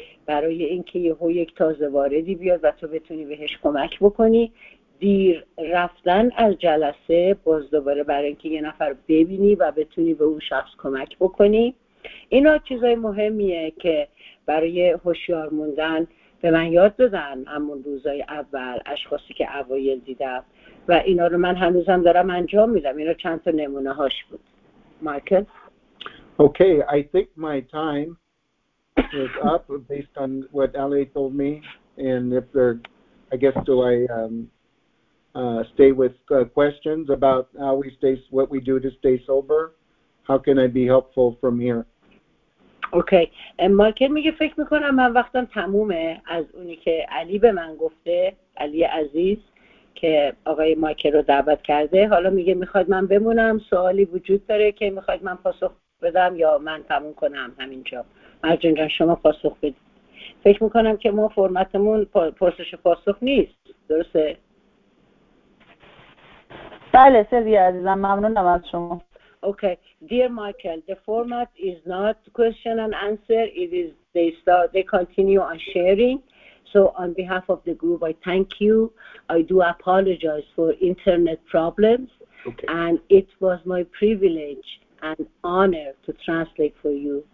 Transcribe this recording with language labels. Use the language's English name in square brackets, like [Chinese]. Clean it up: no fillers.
[Persian] برای اینکه یهو یک تازه واردی بیاد و تو بتونی بهش کمک بکنی دیر رفتن از جلسه باز دوباره برای اینکه یه نفر ببینی و بتونی به اون شخص کمک بکنی اینا چیزای مهمیه که برای هوشیار موندن به من یاد دادن همون روزای اول اشخاصی که اوایل دیدم و اینا رو من هنوزم دارم انجام میدم اینا چند تا نمونه هاش بود مایکل [English] okay I think my time is up based on what Ali told me and if there I guess do I stay with questions about how we stay what we do to stay sober how can I be helpful from here [Persian] اوکی مایکل میگه فکر میکنم من وقتم تمومه از اونی که علی به من گفته علی عزیز که آقای مایکل رو دعوت کرده حالا میگه میخواد من بمونم سوالی وجود داره که میخواد من پاسخ بدم یا من تموم کنم همینجا مرجان جان شما پاسخ بدید فکر میکنم که ما فرمتمون پرسش پاسخ نیست درسته؟ بله سلوی عزیزم ممنونم از شما [English] Okay, dear Michael, the format is not question and answer. It is they continue on sharing. So on behalf of the group, I thank you. I do apologize for internet problems. Okay. And it was my privilege and honor to translate for you.